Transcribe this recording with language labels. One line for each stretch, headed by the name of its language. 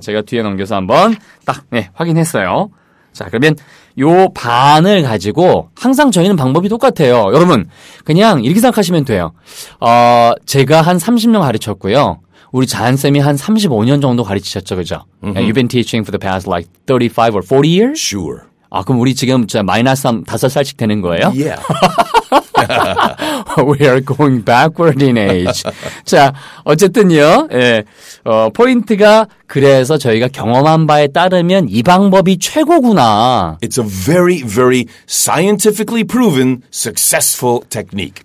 Korean: 제가 뒤에 넘겨서 한번 딱 네, 확인했어요. 자, 그러면 요 반을 가지고 항상 저희는 방법이 똑같아요. 여러분, 그냥 이렇게 생각하시면 돼요. 제가 한 30년 가르쳤고요. 우리 자한쌤이 한 35년 정도 가르치셨죠, 그죠?
English: You've been teaching for the past like 35 or 40 years? Sure.
Korean: 아, 그럼 우리 지금 마이너스 5살씩 되는 거예요?
English: Yeah. We are going backward in age.
Korean: 자, 어쨌든요. 예, 포인트가 그래서 저희가 경험한 바에 따르면 이 방법이 최고구나.
English: It's a very, very scientifically proven successful technique.